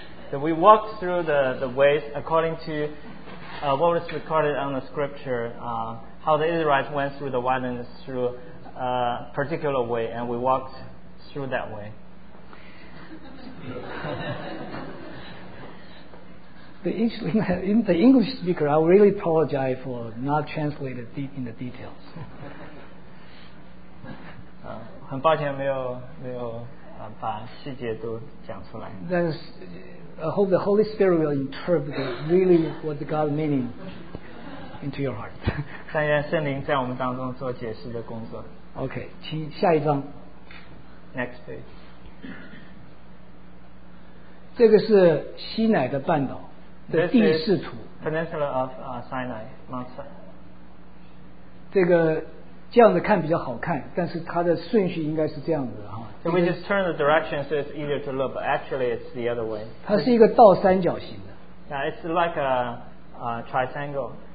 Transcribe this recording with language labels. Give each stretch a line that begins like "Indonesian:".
English: so we walked through the ways according to what was recorded on the scripture how the Israelites went through the wilderness through a particular way and we walked through that way The English speaker, I really apologize for not translating deep in the details.
Chinese: 很抱歉没有把细节都讲出来。
English: 但是 I hope the Holy Spirit will interpret really what God meaning into your heart.
Chinese: 但愿圣灵在我们当中做解释的工作。 Okay, 请下一张。
English: Next page.
Chinese: 这个是西乃的半岛的地势图。
English: Peninsula of Sinai, Mount Sinai.
Chinese: 这个这样子看比较好看，但是它的顺序应该是这样子的哈。
English: So we just turn the direction so it's easier to look, but actually it's the other way.
Chinese: 它是一个倒三角形的。
English: Yeah, it's like a triangle.